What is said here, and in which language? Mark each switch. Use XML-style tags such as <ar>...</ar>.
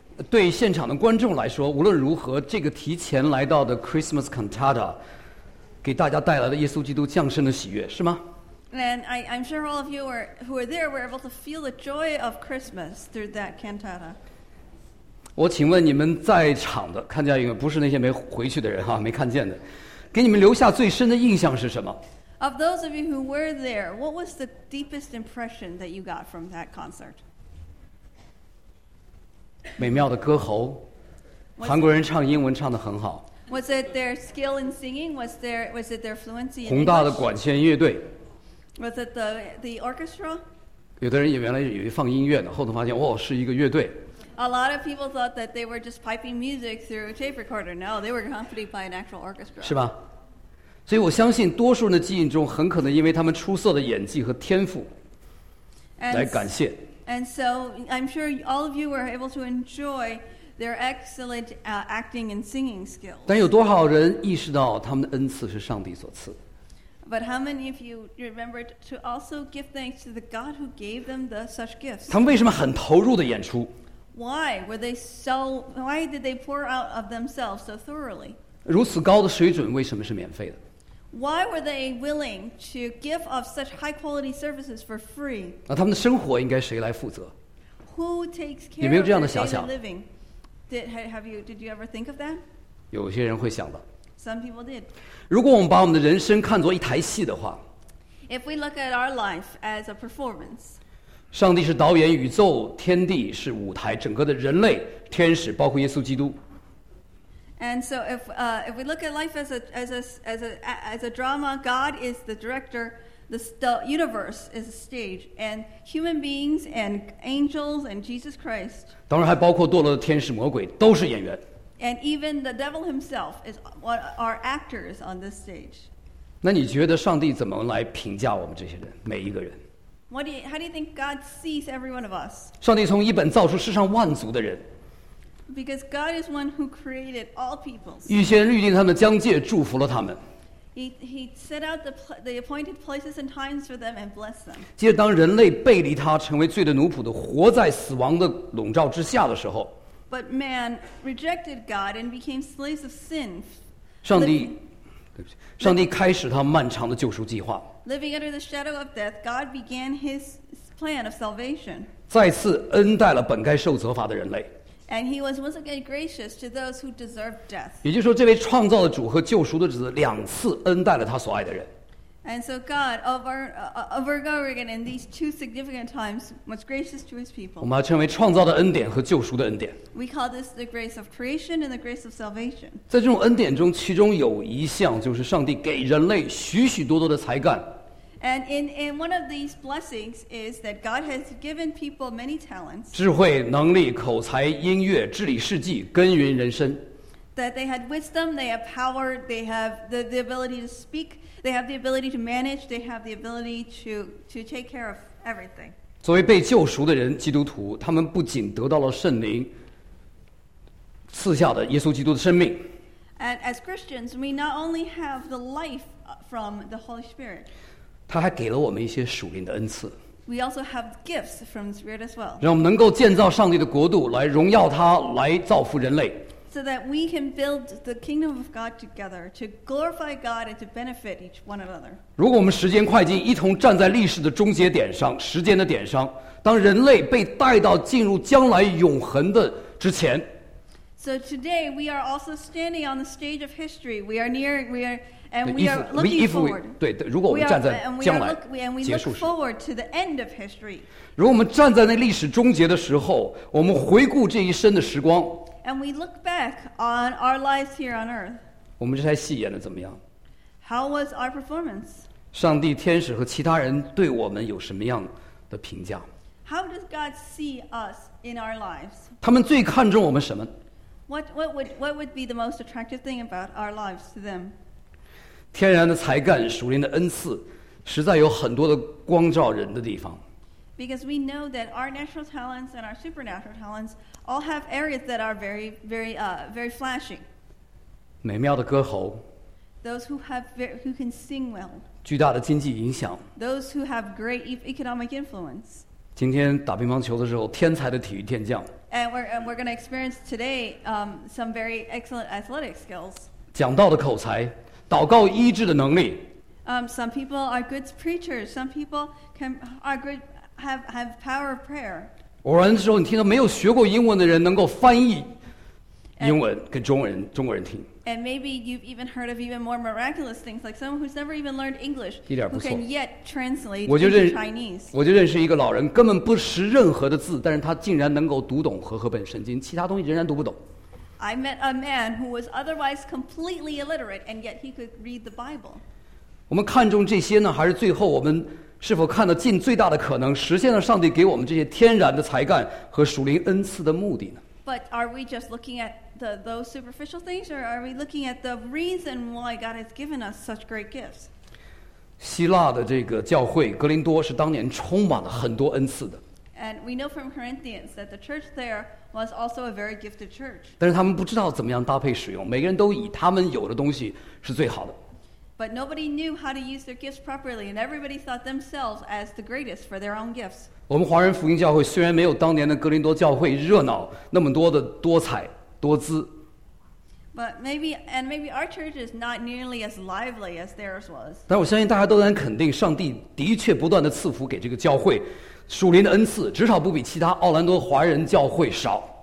<zh>对现场的观众来说，无论如何，这个提前来到的 Christmas Cantata。给大家带来了耶稣基督降生的喜悦，是吗</zh> <en>？And I'm sure all of you who are there were able to feel the joy of Christmas through that cantata.</en> <zh>我请问你们在场的，看见有没有？不是那些没回去的人哈，没看见的，给你们留下最深的印象是什么</zh> <en>？Of those of you who were there, what was the deepest impression that you got from that concert?</en> <zh>美妙的歌喉，韩国人唱英文唱得很好。</zh> <en>Was it their skill in singing? Was it their fluency in English?</en> <zh>宏大的管弦乐队。</zh> <en>Was it the orchestra?</en> <zh>有的人也原来以为放音乐呢，后头发现哦，是一个乐队。</zh> <en>A lot of people thought that they were just piping music through a tape recorder. No, they were accompanied by an actual orchestra.</en> <zh>是吧？所以我相信，多数人的记忆中很可能因为他们出色的演技和天赋来感谢。</zh> <en>And so I'm sure all of you were able to enjoy. Their excellent acting and singing skills.</en> <zh>但有多少人意识到他们的恩赐是上帝所赐</zh> <en>？But how many of you remembered to also give thanks to the God who gave them such gifts?</en> <zh>他们为什么很投入的演出</zh> <en>？Why were they so? Why did they pour out of themselves so thoroughly?</en> <zh>如此高的水准为什么是免费的</zh> <en>？Why were they willing to give of such high quality services for free?</en> <zh>那他们的生活应该谁来负责</zh> <en>？Who takes care?</en> <zh>有没有这样的遐想</zh> <en>？Living. Did you ever think of that?</en> <zh>有些人会想到。</zh> <en>Some people did.</en> <zh>如果我们把我们的人生看作一台戏的话</zh> <en>，If we look at our life as a performance,</en> <zh>上帝是导演，宇宙、天地是舞台，整个的人类、天使，包括耶稣基督。</zh> <en>And so if we look at life as a drama, God is the director. The universe is a stage, and human beings and angels and Jesus Christ.</en> <zh>当然还包括堕落的天使、魔鬼，都是演员。</zh> <en>And even the devil himself is what are actors on this stage.</en> <zh>那你觉得上帝怎么来评价我们这些人，每一个人</zh> <en>how do you think God sees every one of us?</en> <zh>上帝从一本造出世上万族的人。</zh> <en>Because God is one who created all peoples.</en> <zh>预先预定他们的疆界，祝福了他们。</zh> <en>He set out the appointed places and times for them and blessed them.</en> <zh>接着，当人类背离他，成为罪的奴仆的，活在死亡的笼罩之下的时候</zh> <en>，But man rejected God and became slaves of sin.</en> <zh>上帝开始他漫长的救赎计划。</zh> <en>Living under the shadow of death, God began His plan of salvation.</en> <zh>再次恩待了本该受责罚的人类。</zh> <en>And he was once again gracious to those who deserved death.</en> <zh>也就是说，这位创造的主和救赎的主两次恩待了他所爱的人。</zh> <en>And so God, over again, in these two significant times, was gracious to his people.</en> <zh>我们要称为创造的恩典和救赎的恩典。</zh> <en>We call this the grace of creation and the grace of salvation.</en> <zh>在这种恩典中，其中有一项就是上帝给人类许许多多的才干。</zh> <en>And in one of these blessings is that God has given people many talents.</en> <zh>智慧、能力、口才、音乐、治理世纪、耕耘人生。</zh> <en>That they had wisdom, they have power, they have the ability to speak, they have the ability to manage, they have the ability to take care of everything.</en> <zh>作为被救赎的人，基督徒，他们不仅得到了圣灵赐下的耶稣基督的生命。</zh> <en>And as Christians, we not only have the life from the Holy Spirit.</en> <zh>他还给了我们一些属灵的恩赐</zh> <en>We also have gifts from the Spirit as well.</en> <zh>让我们能够建造上帝的国度来荣耀他来造福人类</zh> <en>So that we can build the kingdom of God together to glorify God and to benefit each one another.</en> <zh>如果我们时间快进一同站在历史的终结点上时间的点上当人类被带到进入将来永恒的之前</zh> <en>So today we are also standing on the stage of history. We are near, we are And we are looking forward.</en> <zh>对，如果我们站在将来结束时。</zh> <en>And we look forward to the end of history.</en> <zh>如果我们站在那历史终结的时候，我们回顾这一生的时光。</zh> <en>And we look back on our lives here on earth.</en> <zh>我们这台戏演的怎么样？</zh> <en>How was our performance?</en> <zh>上帝、天使和其他人对我们有什么样的评价？</zh> <en>How does God see us in our lives?</en> <zh>他们最看重我们什么？</zh> <en>What would be the most attractive thing about our lives to them?</en> <zh>天然的才干，属灵的恩赐，实在有很多的光照人的地方。</zh> <en>Because we know that our natural talents and our supernatural talents all have areas that are very, very, very flashy.</en> <zh>美妙的歌喉。</zh> <en>Those who have who can sing well.</en> <zh>巨大的经济影响。</zh> <en>Those who have great economic influence.</en> <zh>今天打乒乓球的时候，天才的体育健将。</zh> <en>And we're going to experience today, some very excellent athletic skills.</en> <zh>讲道的口才。祷告医治的能力。</zh> <en>Some people are good preachers. Some people have power of prayer.</en> <zh>偶然的时候，你听到没有学过英文的人能够翻译英文给中国人听。</zh> <en>And maybe you've even heard of even more miraculous things, like someone who's never even learned English, who can yet translate into Chinese.</en> <zh>我就认识一个老人，根本不识任何的字，但是他竟然能够读懂和合本圣经，其他东西仍然读不懂。</zh> <en>I met a man who was otherwise completely illiterate, and yet he could read the Bible.</en> <zh>我们看重这些呢，还是最后我们是否看得尽最大的可能，实现了上帝给我们这些天然的才干和属灵恩赐的目的呢？</zh> <en>But are we just looking at those superficial things, or are we looking at the reason why God has given us such great gifts?</en> <zh>希腊的这个教会格林多是当年充满了很多恩赐的。</zh> <en>And we know from Corinthians that the church there was also a very gifted church.</en> <zh>但是他们不知道怎么样搭配使用，每个人都以他们有的东西是最好的。</zh> <en>But nobody knew how to use their gifts properly, and everybody thought themselves as the greatest for their own gifts.</en> <zh>我们华人福音教会虽然没有当年的格林多教会热闹那么多的多彩多姿。</zh> <en>But maybe our church is not nearly as lively as theirs was.</en> <zh>但我相信大家都能肯定，上帝的确不断的赐福给这个教会。属灵的恩赐至少不比其他奥兰多华人教会少。</zh>